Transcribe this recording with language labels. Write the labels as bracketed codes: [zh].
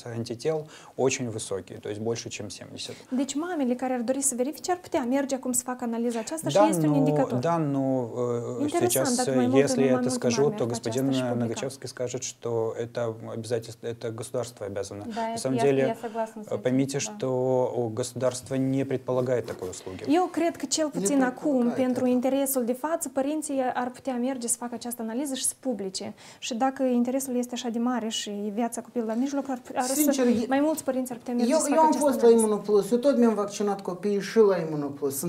[ru] антител очень высокий, то есть больше, чем 70. [ro] Deci mamele care ar dori să verifice ar putea merge acum să facă analiza aceasta și este un indicator. [ru] Да, но сейчас, если я это скажу, то господин Нагачевский скажет, что это обязательство, это государство обязано. На самом деле, поймите, что государство не предполагает такой услуги. [ro] Eu cred că cel puțin acum, pentru interesul de față, părinții ar putea merge să facă această analiză și să publice. Și dacă interesul este așa de mare și viața copilului la mijloc, mai mulți părinți ar putea merge să facă această analiză. Eu am fost la Immunoplus, eu tot mi-am vaccinat copiii și la Immunoplus.